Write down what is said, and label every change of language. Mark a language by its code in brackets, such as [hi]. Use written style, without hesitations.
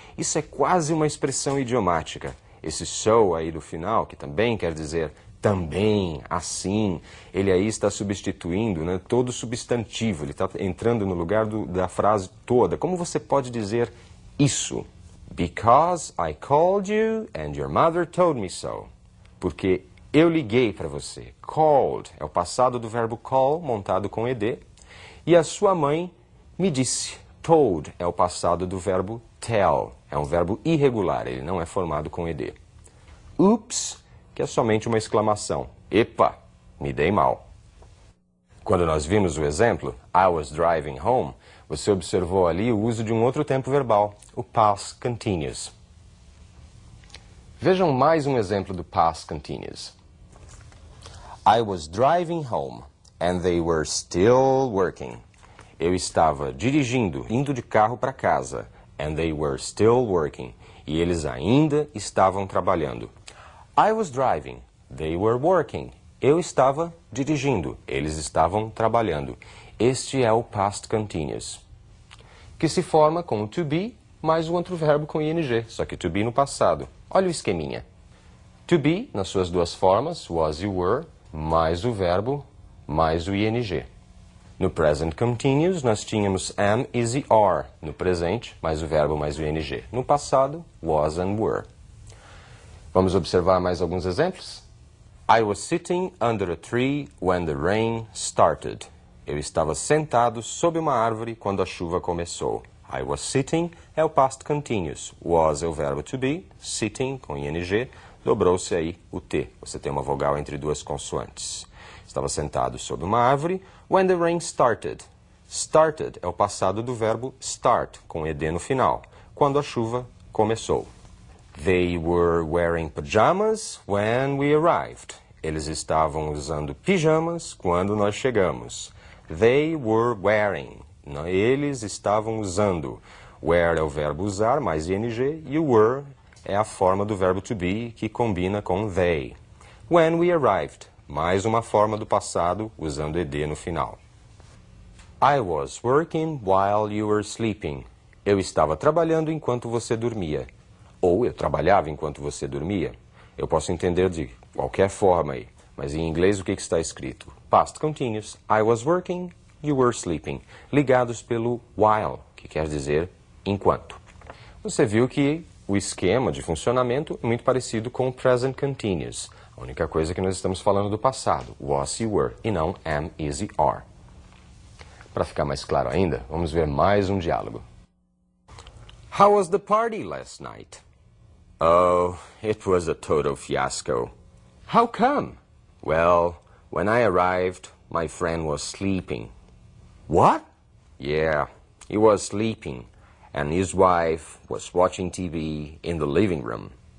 [pt] Isso é quase uma expressão idiomática. Esse so aí do final, que também quer dizer... Também, assim, ele aí está substituindo, né, todo substantivo, ele está entrando no lugar da frase toda. Como você pode dizer isso? [en] Because I called you and your mother told me so. [pt] Porque eu liguei para você. Called é o passado do verbo call, montado com ed. E a sua mãe me disse. Told é o passado do verbo tell. É um verbo irregular, ele não é formado com ed. [en] Oops. [pt] Que é somente uma exclamação. Epa, me dei mal. Quando nós vimos o exemplo, [en] I was driving home, [pt] você observou ali o uso de um outro tempo verbal, o past continuous. Vejam mais um exemplo do past continuous. [en] I was driving home and they were still working. [pt] Eu estava dirigindo, indo de carro para casa. [en] And they were still working. [pt] E eles ainda estavam trabalhando. [en] I was driving. They were working. [pt] Eu estava dirigindo. Eles estavam trabalhando. Este é o past continuous. Que se forma com o to be mais um outro verbo com ing, só que to be no passado. Olha o esqueminha. To be, nas suas duas formas, was e were, mais o verbo, mais o ing. No present continuous, nós tínhamos am, is e are. No presente, mais o verbo, mais o ing. No passado, was and were. Vamos observar mais alguns exemplos? [en] I was sitting under a tree when the rain started. [pt] Eu estava sentado sob uma árvore quando a chuva começou. [en] I was sitting [pt] é o past continuous. Was é o verbo to be. Sitting, com ing, dobrou-se aí o T. Você tem uma vogal entre duas consoantes. Estava sentado sob uma árvore [en] when the rain started. [pt] Started é o passado do verbo start, com ed no final. Quando a chuva começou. [en] They were wearing pajamas when we arrived. [pt] Eles estavam usando pijamas quando nós chegamos. [en] They were wearing. [pt] Eles estavam usando. Wear é o verbo usar, mais ing. E were é a forma do verbo to be, que combina com they. [en] When we arrived. [pt] Mais uma forma do passado usando ED no final. [en] I was working while you were sleeping. [pt] Eu estava trabalhando enquanto você dormia. Ou eu trabalhava enquanto você dormia. Eu posso entender de qualquer forma aí. Mas em inglês o que está escrito? [en] Past continuous. I was working, you were sleeping. [pt] Ligados pelo while, que quer dizer enquanto. Você viu que o esquema de funcionamento é muito parecido com o present continuous. A única coisa é que nós estamos falando do passado. Was, [en] you were. [pt] E não am, is, are. Para ficar mais claro ainda, vamos ver mais um diálogo. [en] How was the party last night? Oh, it was a total fiasco. How come? Well, when I arrived, my friend was sleeping. What? Yeah, he was sleeping, and his wife was watching TV in the living room.